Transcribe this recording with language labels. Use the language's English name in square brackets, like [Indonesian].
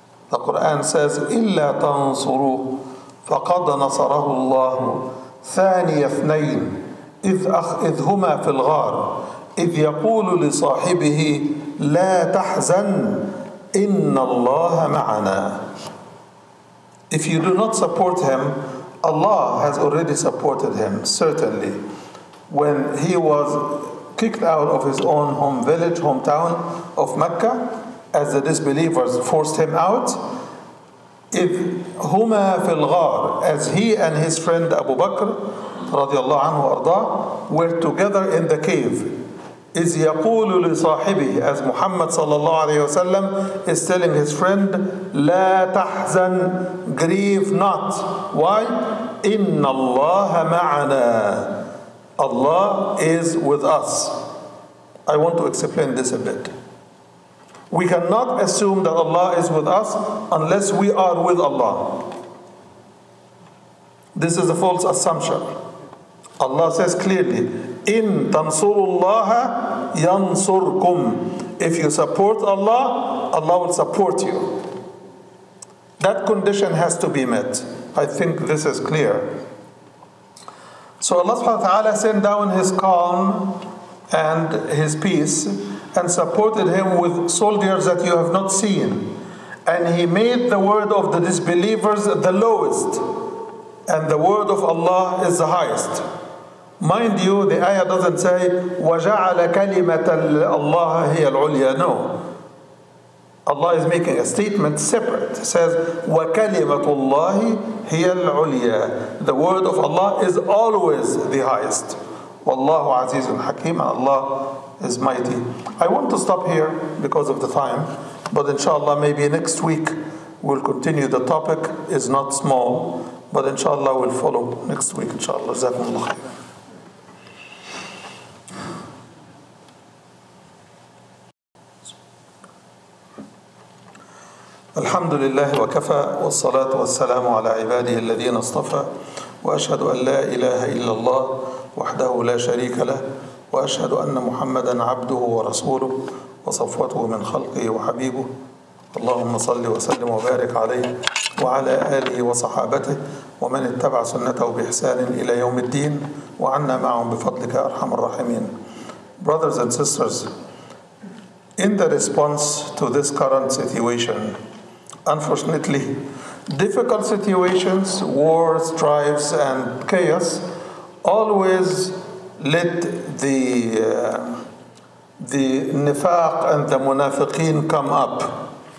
[English] The Quran says, [Arabic] إِلَّا تَنْصُرُوهُ فَقَدْ نَصَرَهُ اللَّهُ ثَانِيَ اثْنَيْنِ إِذْ هُمَا فِي الْغَارِ إِذْ يَقُولُ لِصَاحِبِهِ لَا تَحْزَنْ إِنَّ اللَّهَ مَعَنَا. [English] If you do not support him, Allah has already supported him, certainly. When he was kicked out of his own home village, hometown of Mecca, as the disbelievers forced him out, [Arabic] إِذْ هُمَا فِي الْغَارِ, [English] as he and his friend Abu Bakr radiallahu anhu arda, were together in the cave, [Arabic] إِذْ يَقُولُ لِصَاحِبِهِ, [English] as Muhammad sallallahu alayhi wa sallam is telling his friend, [Arabic] لَا تَحْزَنْ, [English] grieve not. Why? [Arabic] إِنَّ اللَّهَ مَعَنَا, [English] Allah is with us. I want to explain this a bit. We cannot assume that Allah is with us unless we are with Allah. This is a false assumption. Allah says clearly, [Arabic] إِن تَنْصُرُ اللَّهَ يَنْصُرْكُمْ. [English] If you support Allah, Allah will support you. That condition has to be met. I think this is clear. So Allah subhanahu wa ta'ala sent down His calm and His peace and supported him with soldiers that you have not seen. And He made the word of the disbelievers the lowest, and the word of Allah is the highest. Mind you, the ayah doesn't say, [Arabic] وَجَعَلَ كَلِمَةَ اللَّهَ هِيَ الْعُلْيَا. [English] No. Allah is making a statement separate. It says, [Arabic] وَكَلِمَةُ اللَّهِ هِيَ الْعُلْيَا. [English] The word of Allah is always the highest. [Arabic] وَاللَّهُ عَزِيزٌ حَكِيمٌ. [English] Allah is mighty. I want to stop here because of the time, but inshallah, maybe next week we'll continue. The topic is not small, but inshallah, we'll follow next week, inshallah. Jazakumullah khair. [Arabic] الحمد لله وكفى والصلاة والسلام على عباده الذين اصطفى وأشهد أن لا إله إلا الله وحده لا شريك له وأشهد أن محمدًا عبده ورسوله وصفوته من خلقه وحبيبه. اللهم صل وسلم وبارك عليه وعلى آله وصحابته ومن اتبع سنته بإحسان إلى يوم الدين وعنا معهم بفضلك أرحم الراحمين. [English] Brothers and sisters, in the response to this current situation, unfortunately, difficult situations, wars, strifes, and chaos always let the nifaq and the munafiqeen come up.